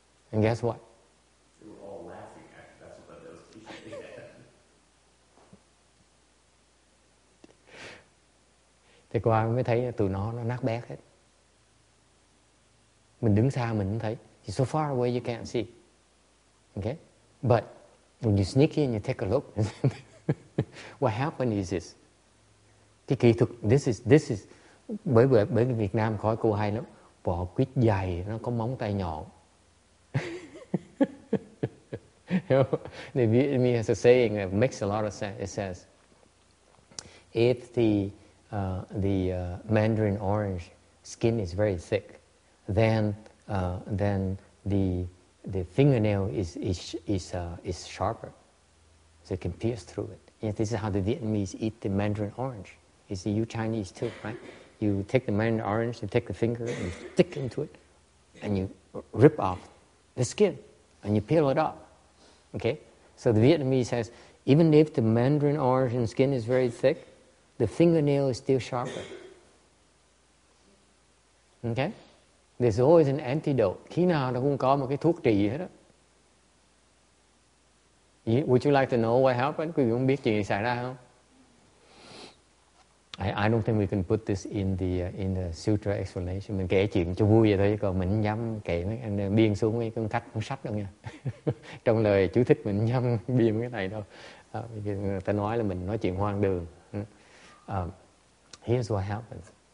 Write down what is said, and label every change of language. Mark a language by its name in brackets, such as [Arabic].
[English] And guess what? They were all laughing at me. That's what I was thinking. [Vietnamese] Thầy qua mới thấy tụi nó nát bét hết. Mình đứng xa mình không thấy. [English] So far away you can't see. Okay? But when you sneak in, you take a look. What happened is this. [Vietnamese] Cái kỹ thuật, [English] this is, [Vietnamese] bởi Việt Nam khỏi cô hay lắm. Vỏ quýt dày, nó có móng tay nhọn. [English] You know, the Vietnamese has a saying that makes a lot of sense. It says, if the mandarin orange skin is very thick, then the fingernail is sharper, so it can pierce through it. Yeah, this is how the Vietnamese eat the mandarin orange. It's the you Chinese too, right? You take the mandarin orange, you take the finger and you stick into it, and you rip off the skin and you peel it off. Okay, so the Vietnamese says even if the mandarin orange and skin is very thick, the fingernail is still sharper. Okay. There's always an antidote. [Vietnamese] Khi nào nó cũng có một cái thuốc trị hết á. [English] Would you like to know what happened? [Vietnamese] Quý vị không biết chuyện gì xảy ra không? [English] I don't think we can put this in the sutra explanation. [Vietnamese] Mình kể chuyện cho vui vậy thôi. Còn mình nhắm kể anh biên xuống mấy cái cách cuốn sách đâu nha. Trong lời chú thích mình nhắm biên cái này đâu. Người ta nói là mình nói chuyện hoang đường. [English] Here's what happens.